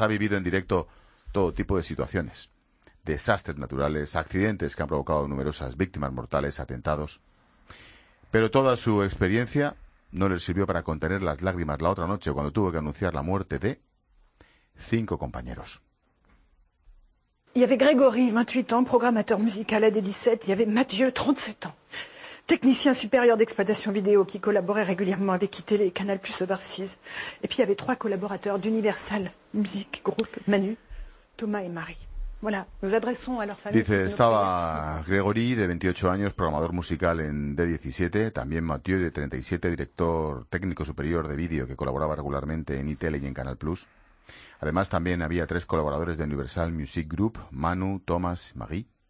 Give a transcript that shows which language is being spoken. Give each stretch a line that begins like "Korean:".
Spanish: Ha vivido en directo todo tipo de situaciones. Desastres naturales, accidentes que han provocado numerosas víctimas mortales, atentados. Pero toda su experiencia no le sirvió para contener las lágrimas la otra noche cuando tuvo que anunciar la muerte de 5 compañeros. Y había Grégory, 28 años, programador musical AD17. Y había Mathieu, 37 años.
French: Technicien supérieur d'exploitation vidéo qui collaborait régulièrement avec iTélé et Canal Plus Overseas. Et puis il y avait 3 collaborateurs d'Universal Music Group, Manu, Thomas et Marie. Voilà, nous adressons à leur famille.
Spanish: Dice, estaba Grégory, de 28 años, programador musical en D17. También Mathieu, de 37, director técnico superior de vídeo que colaboraba regularmente en iTélé y en Canal Plus. Además, también había 3 colaboradores de Universal Music Group, Manu, Thomas y Marie.